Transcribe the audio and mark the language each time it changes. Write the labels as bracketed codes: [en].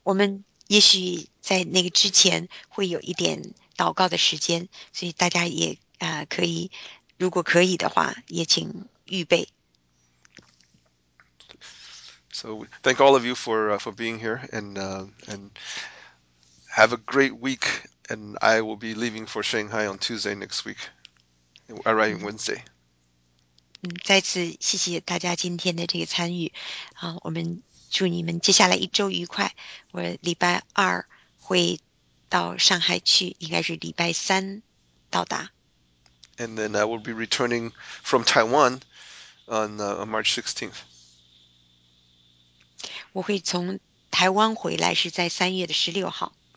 [zh] 我们也许在那个之前会有一点祷告的时间，所以大家也可以，如果可以的话，也请预备。 [en] So thank all of you for being here and have a great week. And I will be leaving for Shanghai on Tuesday next week, arriving Wednesday. [zh] 再次谢谢大家今天的这个参与，我们祝你们接下来一周愉快。我礼拜二会到上海去，应该是礼拜三到达。 [en] And then I will be returning from Taiwan on March 16th. [zh] 我会从台湾回来，是在三月的十六号。